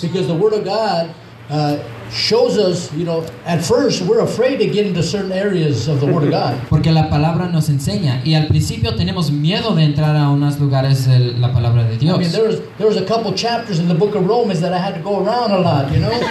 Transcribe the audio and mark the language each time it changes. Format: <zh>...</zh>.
<en>Because the word of God shows us, you know, at first we're afraid to get into certain areas of the word of God.</en> <es>Porque la palabra nos enseña, y al principio tenemos miedo de entrar a unos lugares de la palabra de Dios.</es> <en>I mean, there was a couple chapters in the book of Romans that I had to go around a lot, you know.</en>